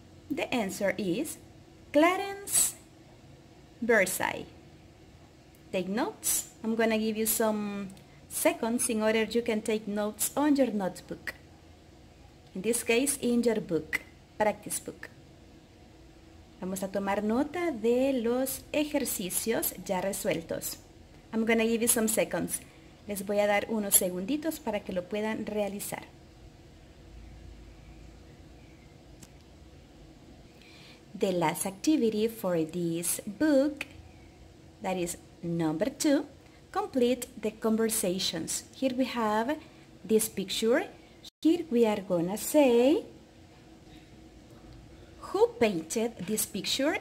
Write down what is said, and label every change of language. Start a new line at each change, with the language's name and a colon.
English: The answer is Clarence Versailles. Take notes. I'm going to give you some seconds in order you can take notes on your notebook. In this case, in your book, practice book.
Spanish: Vamos a tomar nota de los ejercicios ya resueltos.
English: I'm going to give you some seconds.
Spanish: Les voy a dar unos segunditos para que lo puedan realizar.
English: The last activity for this book, that is number two, complete the conversations. Here we have this picture. Here we are gonna say, who painted this picture?